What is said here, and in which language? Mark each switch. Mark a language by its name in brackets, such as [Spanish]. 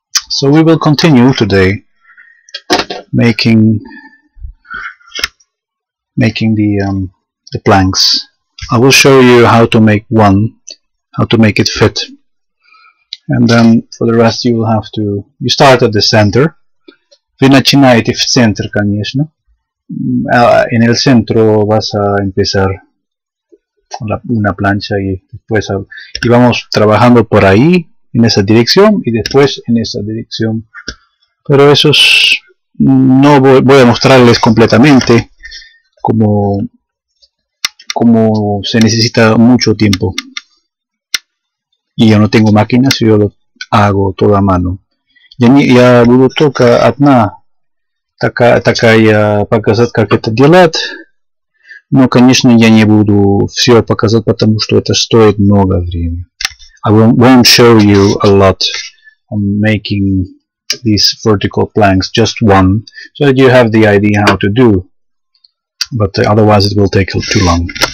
[English] So we will continue today making the planks. I will show you how to make one, how to make it fit, and then for the rest you will have to. You start at the center. [Russian] Вы начинаете в центр, конечно. [Spanish] En el centro vas a empezar una plancha y después y vamos trabajando por ahí en esa dirección y después en esa dirección. Pero eso es, no voy a mostrarles completamente como se necesita mucho tiempo y yo no tengo máquinas, yo lo hago todo a mano. [Russian] Я буду только одна такая показать, как это делать, но конечно я не буду все показать, потому что это стоит много времени. [English] I won't show you a lot on making these vertical planks, just one, so that you have the idea how to do, but otherwise it will take too long.